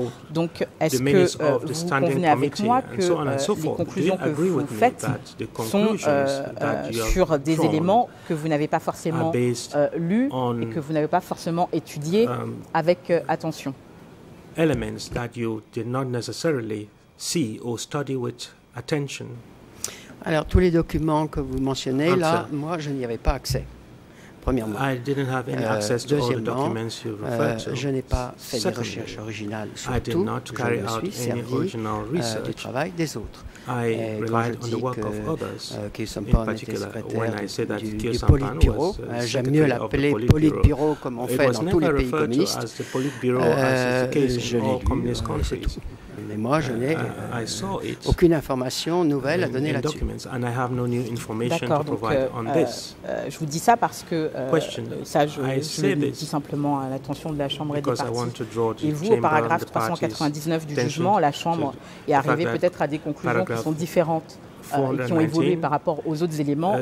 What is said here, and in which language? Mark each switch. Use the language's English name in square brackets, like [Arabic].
[French] Donc, est-ce que vous convenez avec moi que les conclusions que vous faites sont sur des éléments que vous n'avez pas forcément lus et que vous n'avez pas forcément étudiés avec attention? [English] Elements that you did not necessarily see or study with attention. [French] Alors, tous les documents que vous mentionnez, là, moi, je n'y avais pas accès, premièrement. [English] I didn't have any access to all the documents you referred to. [French] Deuxièmement, je n'ai pas fait de recherche originale sur tout. [English] I did not carry out any original research. [French] Du travail des autres. [English] I relied on the work of others, in particular, when I said that Kyo Sampan was [French] j'aime mieux l'appeler Politburo, comme on fait dans tous les pays communistes. [English] It was never referred to as the Politburo, as the case in all communist countries. [French] Mais moi, je n'ai aucune information nouvelle à donner là-dessus. D'accord, donc je vous dis ça parce que ça, je le dis simplement à l'attention de la Chambre et des parties. Et vous, au paragraphe 399 du jugement, la Chambre est arrivée peut-être à des conclusions qui sont différentes et qui ont évolué par rapport aux autres éléments.